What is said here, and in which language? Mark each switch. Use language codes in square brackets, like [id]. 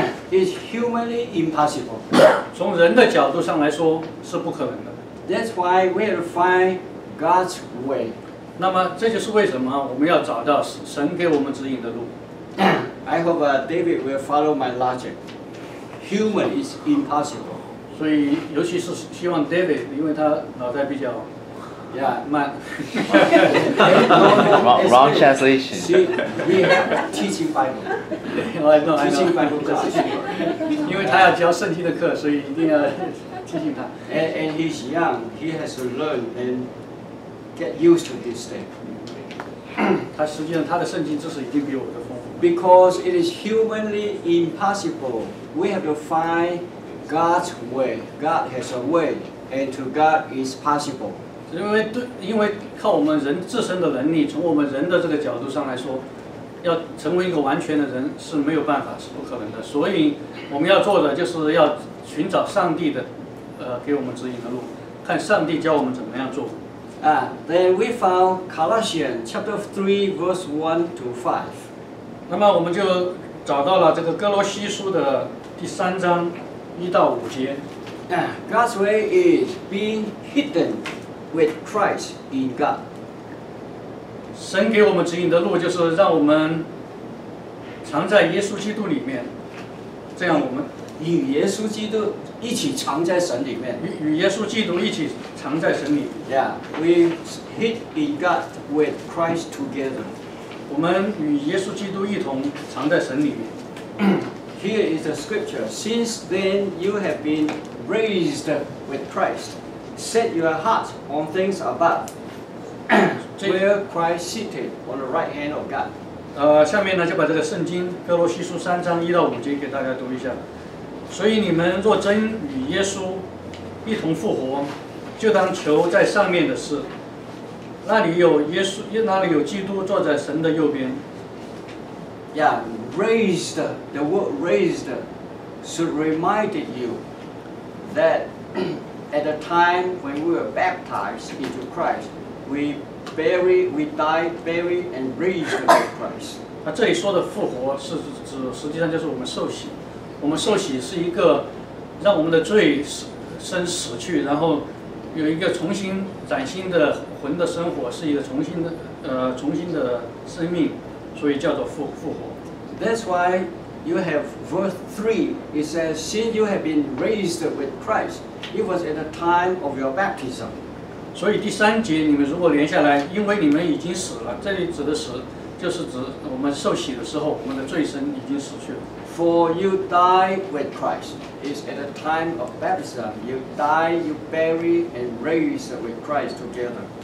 [en] It's humanly impossible. [zh] 从人的角度上来说是不可能的。 [en] That's why we have to find God's way. [zh] 那么这就是为什么我们要找到神给我们指引的路。 [en] I hope David will follow my logic. Human is impossible. [zh] 所以尤其是希望 David， 因为他脑袋比较。 [en] Yeah, my wrong translation. See, we are teaching Bible. I know, teaching I know. Bible class. Because he has to teach the Bible class, so you need to teach him. And he's young. He has to learn and get used to this thing. He actually, his Bible knowledge is already more than mine. Because it is humanly impossible. We have to find God's way. God has a way, and to God is possible. [zh] 因为靠我们人自身的能力，从我们人的这个角度上来说，要成为一个完全的人是没有办法，是不可能的。所以我们要做的就是要寻找上帝的，给我们指引的路，看上帝教我们怎么样做。 [en] Then we found Colossians chapter 3 verse 1 to 5. [zh] 那么我们就找到了这个哥罗西书的第三章一到五节。 [en] God's way is being hidden. With Christ in God. [zh] 神给我们指引的路就是让我们藏在耶稣基督里面，这样我们与耶稣基督一起藏在神里面。与耶稣基督一起藏在神里面。 [en] Yeah, we hid in God with Christ together. [zh] 我们与耶稣基督一同藏在神里面。 [en] Here is the scripture. Since then you have been raised with Christ. Set your heart on things above, where Christ seated on the right hand of God. [zh] 下面呢就把这个圣经哥罗西书三章一到五节给大家读一下。所以你们若真与耶稣一同复活，就当求在上面的事，那里有耶稣，那里有基督坐在神的右边。 [en] Yeah, raised. The word raised should remind you that. At the time when we were baptized into Christ, we buried, we died, buried, and raised with Christ. [zh] 那这里说的复活是指，实际上就是我们受洗。我们受洗是一个让我们的罪生死去，然后有一个重新崭新的魂的生活，是一个重新的重新的生命，所以叫做复活。 [en] That's why you have verse 3. It says, "Since you have been raised with Christ." It was at the time of your baptism. [zh] 所以第三节你们如果连下来，因为你们已经死了，这里指的死就是指我们受洗的时候，我们的罪身已经死去了。 [en] For you died with Christ. It's at the time of baptism. You died, you buried, and raised with Christ together.